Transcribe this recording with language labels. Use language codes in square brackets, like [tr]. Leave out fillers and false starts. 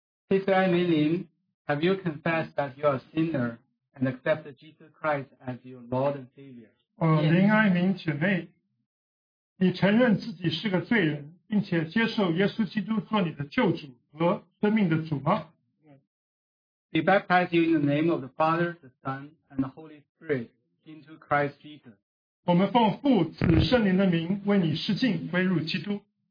[en] Sister Aimin Lin, have you confessed that you are a sinner and accepted Jesus Christ as your Lord and Savior? [zh] 林爱明姊妹，你承认自己是个罪人，并且接受耶稣基督做你的救主和生命的主吗？ [en] We baptize you in the name of the Father, the Son, and the Holy Spirit into Christ Jesus. [zh] 我们奉父子圣灵的名为你施浸，归入基督。